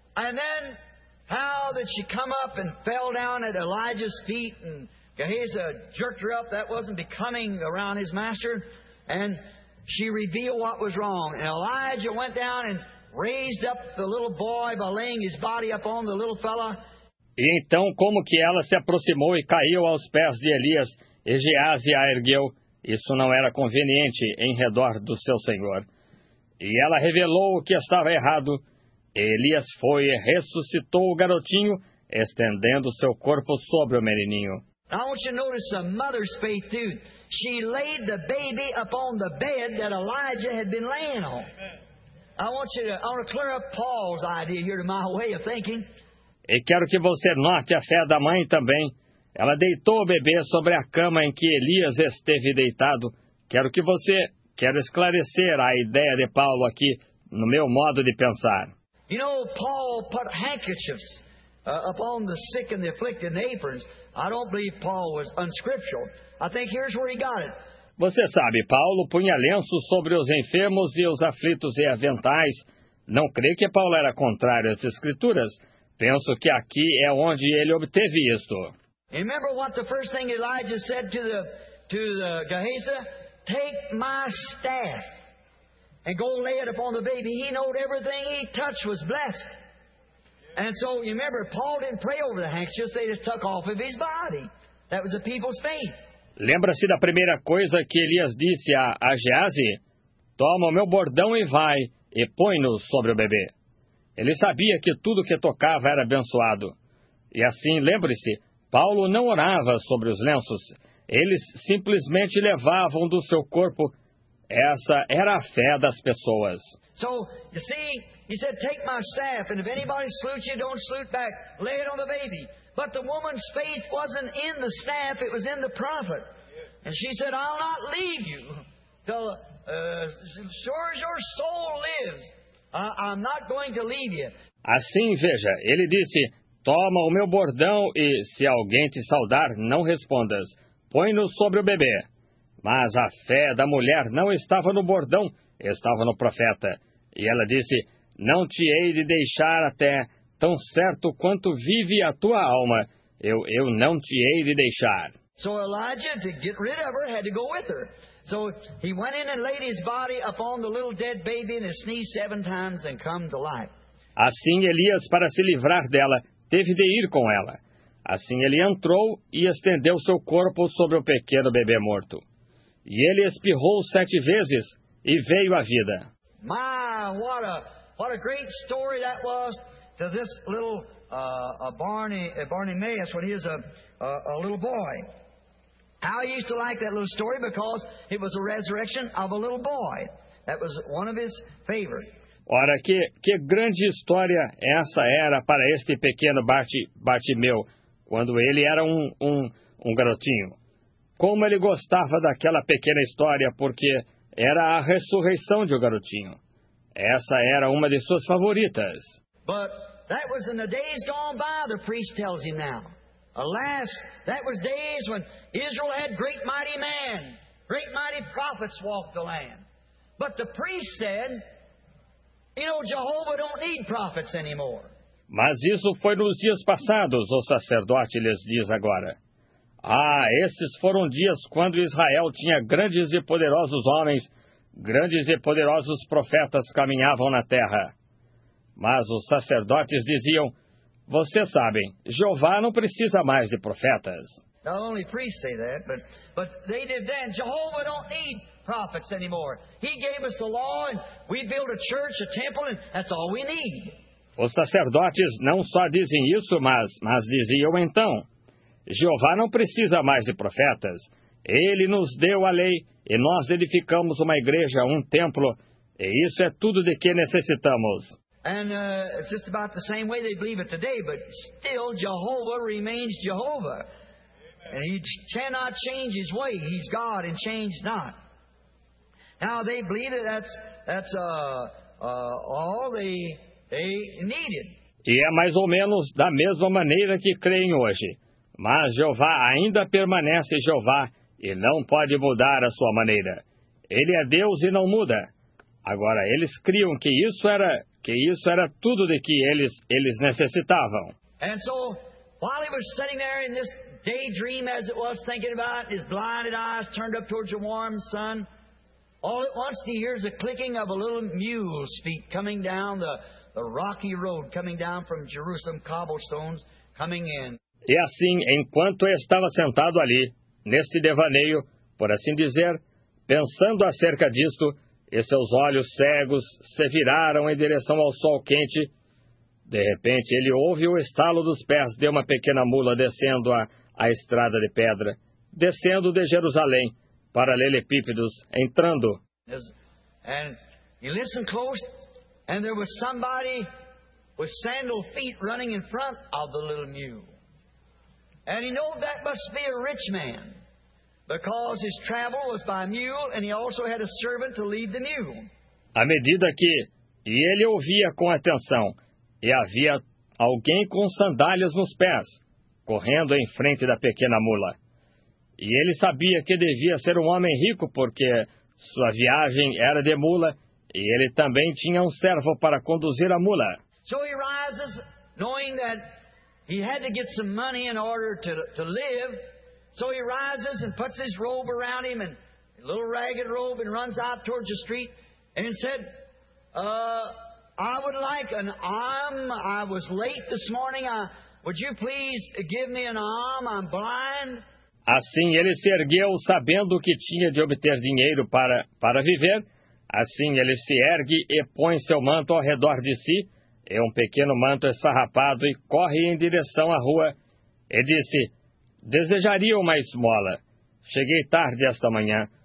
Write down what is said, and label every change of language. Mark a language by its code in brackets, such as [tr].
[en] And then, how did she come up and fell down at Elijah's feet, and Gehazi jerked her up, that wasn't becoming around his master, and she revealed what was wrong. And Elijah went down and raised up the little boy by laying his body up on the little fella. [pt] E então, como que ela se aproximou e caiu aos pés de Elias, e Geazi a ergueu? Isso não era conveniente em redor do seu senhor. E ela revelou o que estava errado. Elias foi e ressuscitou o garotinho, estendendo seu corpo sobre o menininho. [en] I want you to notice a mother's faith too. She laid the baby upon the bed that Elijah had been laying on. I want to clear up Paul's idea here to my way of thinking. [pt] E quero que você note a fé da mãe também. Ela deitou o bebê sobre a cama em que Elias esteve deitado. Quero esclarecer a ideia de Paulo aqui, no meu modo de pensar. [en] You know, Paul put handkerchiefs upon the sick and the afflicted in aprons. I don't believe Paul was unscriptural. I think here's where he got it. [pt] Você sabe, Paulo punha lenços sobre os enfermos e os aflitos e aventais. Não creio que Paulo era contrário às Escrituras. Penso que aqui é onde ele obteve isto. [en] Remember what the first thing Elijah said to the Gehazi? "Take my staff and go lay it upon the baby." He knew everything he touched was blessed. And so, you remember, Paul didn't pray over the handkerchiefs, they just took off of his body. That was the people's faith. [pt] Lembra-se da primeira coisa que Elias disse a Geazi? "Toma o meu bordão e vai, e põe-no sobre o bebê." Ele sabia que tudo que tocava era abençoado. E assim, lembre-se, Paulo não orava sobre os lenços. Eles simplesmente levavam do seu corpo. Essa era a fé das pessoas. [en] So, you see, he said, "Take my staff, and if anybody salutes you, don't salute back. Lay it on the baby." But the woman's faith wasn't in the staff, it was in the prophet. And she said, "I'll not leave you till sure as your soul lives, I'm not going to leave you." [pt] Assim, veja, ele disse, "Toma o meu bordão e se alguém te saudar, não respondas. Põe-no sobre o bebê." Mas a fé da mulher não estava no bordão, estava no profeta. E ela disse, "Não te hei de deixar até, tão certo quanto vive a tua alma, eu não te hei de deixar." [en] So Elijah, to get rid of her, had to go with her. So he went in and laid his body upon the little dead baby and sneezed 7 times and come to life. [pt] Assim Elias, para se livrar dela, teve de ir com ela. Assim ele entrou e estendeu seu corpo sobre o pequeno bebê morto. E ele espirrou 7 vezes e veio à vida. [en] My, what a great story that was to this little Barnabas when he was a little boy. How he used to like that little story because it was a resurrection of a little boy. That was one of his favorites. [pt] Ora, que grande história essa era para este pequeno Bartimeu, quando ele era um garotinho. Como ele gostava daquela pequena história, porque era a ressurreição de um garotinho. Essa era uma de suas favoritas. [en] But that was in the days gone by, the priest tells him now. Alas, that was days when Israel had great mighty men. Great mighty prophets walked the land. But the priest said, you know, Jehovah don't need prophets anymore. [pt] Mas isso foi nos dias passados, o sacerdote lhes diz agora. Ah, esses foram dias quando Israel tinha grandes e poderosos homens, grandes e poderosos profetas caminhavam na terra. Mas os sacerdotes diziam, vocês sabem, Jeová não precisa mais de profetas. [en] Not only priests say that, but they did then. Jehovah don't need prophets anymore. He gave us the law, and we built a church, a temple, and that's all we need. [pt] Os sacerdotes não só dizem isso, mas diziam então, Jeová não precisa mais de profetas. Ele nos deu a lei, e nós edificamos uma igreja, um templo, e isso é tudo de que necessitamos. [en] And it's just about the same way they believe it today, but still Jehovah remains Jehovah. And he cannot change his way. He's God and changed not. Now they believe it. That's all they needed. [pt] E é mais ou menos da mesma maneira que creem hoje. Mas Jeová ainda permanece Jeová e não pode mudar a sua maneira. Ele é Deus e não muda. Agora eles criam que isso era tudo de que eles necessitavam. [en] And so while he was sitting there in this daydream as it was thinking about, his blinded eyes turned up towards the warm sun. All at once he hears the clicking of a little mule's feet coming down the rocky road, coming down from Jerusalem cobblestones, coming in. [pt] E assim, enquanto estava sentado ali, nesse devaneio, por assim dizer, pensando acerca disto, e seus olhos cegos se viraram em direção ao sol quente, de repente ele ouve o estalo dos pés de uma pequena mula descendo a estrada de pedra, descendo de Jerusalém, paralelepípedos, entrando. [en] And he listened close, and there was somebody with sandal feet running in front of the little mule. And he knew that must be a rich man, because his travel was by mule, and he also had a servant to lead the mule. [pt] À medida que, e ele ouvia com atenção, e havia alguém com sandálias nos pés, correndo em frente da pequena mula. E ele sabia que devia ser um homem rico, porque sua viagem era de mula, e ele também tinha um servo para conduzir a mula. [en] So he rises, knowing that he had to get some money in order to live. So he rises and puts his robe around him, and a little ragged robe, and runs out towards the street, and said, I would like an arm. I was late this morning. Would you please give me an arm? I'm blind. [pt] Assim ele se ergueu, sabendo que tinha de obter dinheiro para viver. Assim ele se ergue e põe seu manto ao redor de si, é um pequeno manto esfarrapado, e corre em direção à rua. E disse, desejaria uma esmola. Cheguei tarde esta manhã.